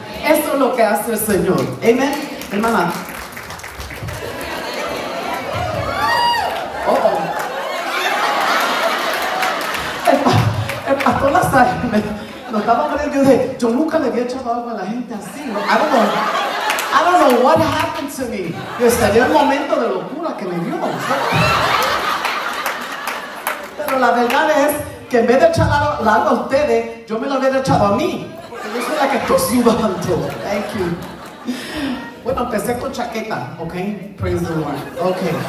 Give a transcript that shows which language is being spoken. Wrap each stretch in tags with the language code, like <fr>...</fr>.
<es>Eso es lo que hace el Señor. Amén. Hermana. Oh, oh. El pastor Lazar me estaba hablando de, yo nunca le había echado algo a la gente así.</es> <en>No, I don't know what happened to me.</en> <es>Yo estaría en un momento de locura que me dio. Pero la verdad es que en vez de echar la agua a ustedes, yo me lo había echado a mí. Porque yo soy la que estoy sudando.</es> <en>Thank you.</en> <es>Bueno, empecé con chaqueta, ¿ok?</es> <en>Praise the Lord.</en> <es>Ok.</es>